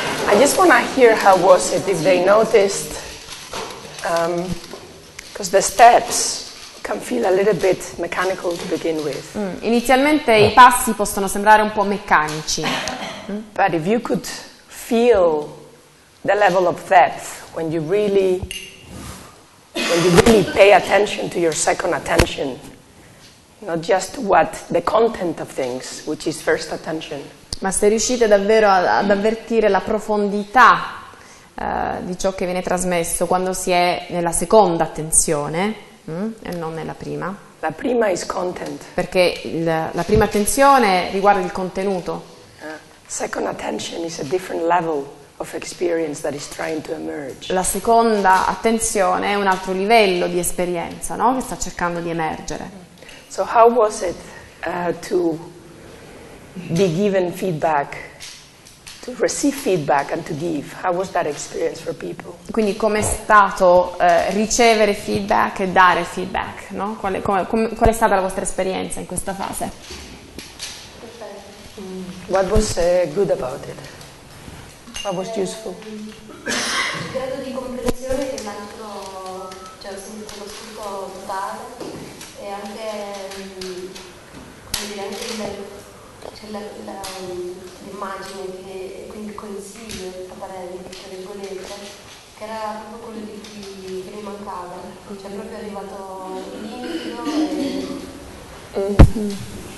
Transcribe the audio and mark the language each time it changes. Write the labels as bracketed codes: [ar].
[en] I just want to hear how was it if they noticed, because the steps can feel a little bit mechanical to begin with. [it] Inizialmente i passi possono sembrare un po' meccanici. [en] But if you could feel the level of depth when you really pay attention to your second attention, not just what the content of things, which is first attention. [it] Ma se riuscite davvero ad avvertire la profondità di ciò che viene trasmesso quando si è nella seconda attenzione e non nella prima. La prima [en] is content. [it] Perché la prima attenzione riguarda il contenuto. [en] Second attention is a different level of experience that is trying to emerge. [it] La seconda attenzione è un altro livello di esperienza, no? Che sta cercando di emergere. [en] So how was it to be given feedback, to receive feedback and to give? How was that experience for people? [it] Quindi com'è stato ricevere feedback e dare feedback, no? Qual è stata la vostra esperienza in questa fase? [en] What was good about it? What was useful? [it] Il grado di comprensione che l'altro, cioè, ho sentito lo scopo totale e anche, come dire, anche l'immagine che, quindi il consiglio, tra parentesi, tra virgolette, che era proprio quello di chi che mi mancava, cioè proprio arrivato limpido e...